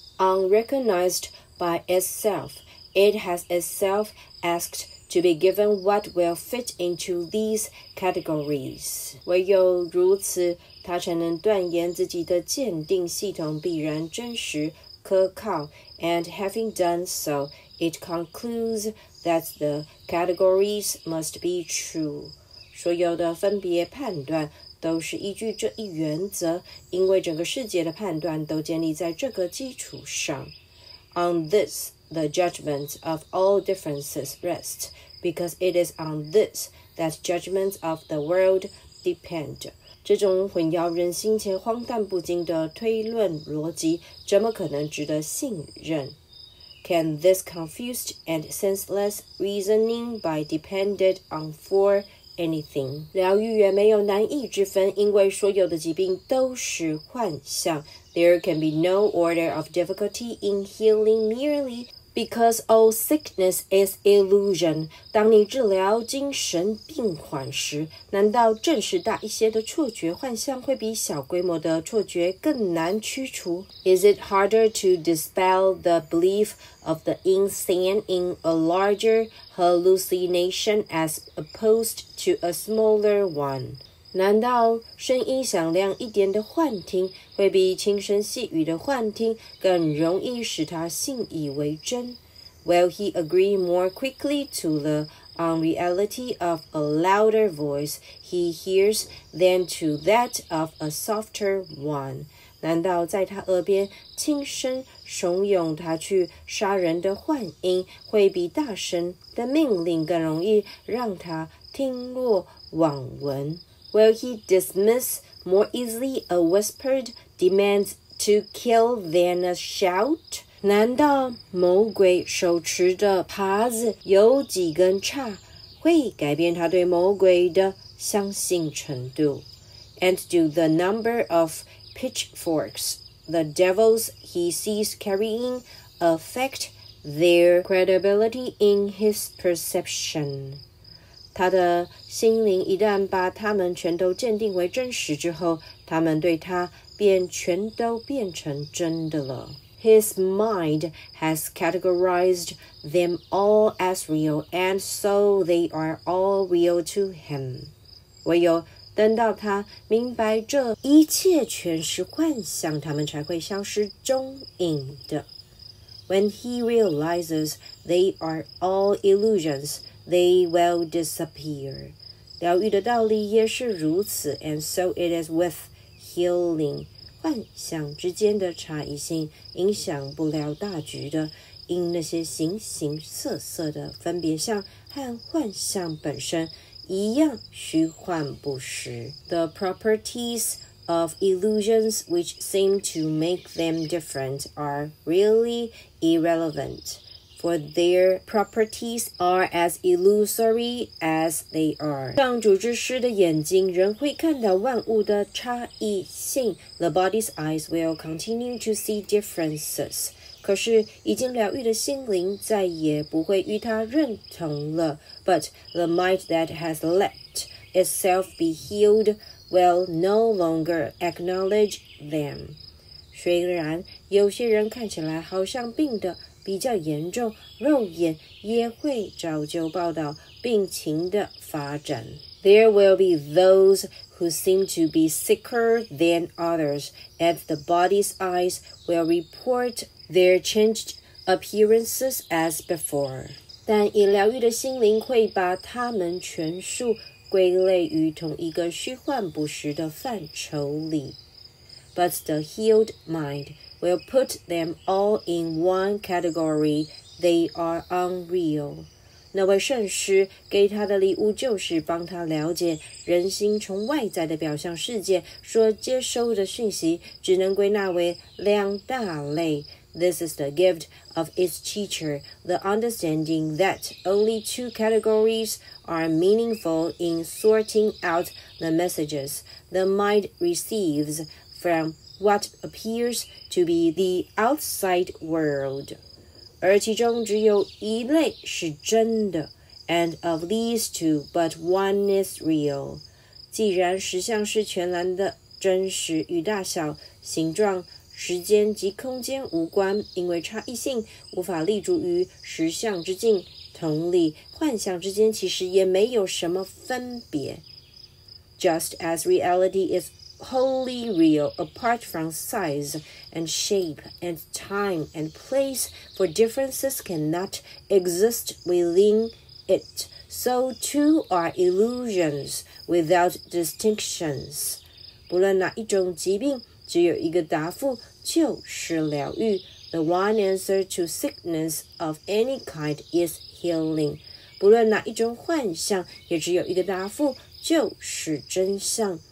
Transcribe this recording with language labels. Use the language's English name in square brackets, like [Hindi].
[English] Unrecognized by itself, it has itself asked to be given what will fit into these categories. [Chinese] 唯有如此，它才能断言自己的鉴定系统必然真实可靠。 [English] And having done so, it concludes that the categories must be true. [Chinese] 所有的分别判断都是依据这一原则，因为整个世界的判断都建立在这个基础上。 [English] On this, the judgment of all differences rest, because it is on this that judgments of the world depend. [Chinese] 这种混淆人心且荒诞不经的推论逻辑怎么可能值得信任？ [English] Can this confused and senseless reasoning by depended on for anything. [Chinese] 疗愈也没有难易之分，因为所有的疾病都是幻象。 [English] There can be no order of difficulty in healing merely because all sickness is illusion. [Chinese] 当你治疗精神病患时，难道正是大一些的错觉幻象会比小规模的错觉更难驱除？ [English] Is it harder to dispel the belief of the insane in a larger hallucination as opposed to a smaller one? [Chinese] 难道声音响亮一点的幻听会比轻声细语的幻听更容易使他信以为真？ [English] Will he agree more quickly to the unreality of a louder voice he hears than to that of a softer one? [Chinese] 难道在他耳边轻声怂恿他去杀人的幻音会比大声的命令更容易让他听落网闻？ [English] Will he dismiss more easily a whispered demand to kill than a shout? [Chinese] 难道魔鬼手持的耙子有几根叉会改变他对魔鬼的相信程度？ [English] And do the number of pitchforks the devils he sees carrying affect their credibility in his perception? [Chinese] 他的心灵一旦把他们全都鉴定为真实之后，他们对他便全都变成真的了。 [English] His mind has categorized them all as real, and so they are all real to him. [Chinese] 唯有等到他明白这一切全是幻想，他们才会消失踪影的。 [English] When he realizes they are all illusions, they will disappear. [Chinese] 疗愈的道理也是如此， [English] and so it is with healing. [Chinese] 幻想之间的差异性影响不了大局的，因那些形形色色的分别相和幻想本身一样虚幻不实。 [English] The properties of illusions which seem to make them different are really irrelevant, for their properties are as illusory as they are. [Chinese] 上主之师的眼睛仍会看到万物的差异性， [English] The body's eyes will continue to see differences. [Chinese] 可是已经疗愈的心灵再也不会与它认同了。 [English] But the mind that has let itself be healed will no longer acknowledge them. [Chinese] 虽然有些人看起来好像病得比较严重，肉眼也会早就报道病情的发展。 [English] There will be those who seem to be sicker than others, and the body's eyes will report their changed appearances as before. [Chinese] 但已疗愈的心灵会把他们全数归类于同一个虚幻不实的范畴里。 [English] But the healed mind will put them all in one category. They are unreal. [Chinese] 那位圣师给他的礼物就是帮他了解人心从外在的表象世界所接收的讯息只能归纳为两大类。 [English] This is the gift of its teacher, the understanding that only two categories are meaningful in sorting out the messages the mind receives from what appears to be the outside world. [Chinese] 而其中只有一类是真的， [English] and of these two, but one is real. [Chinese] 既然实相是全然的真实与大小、形状时间及空间无关，因为差异性无法立足于实相之境。同理，幻想之间其实也没有什么分别。 [English] Just as reality is wholly real apart from size and shape and time and place, for differences cannot exist within it, so too are illusions without distinctions. [Chinese] 不论哪一种疾病，只有一个答复就是疗愈。 [English] The one answer to sickness of any kind is healing. [Chinese] 不论哪一种幻象，也只有一个答复就是真相。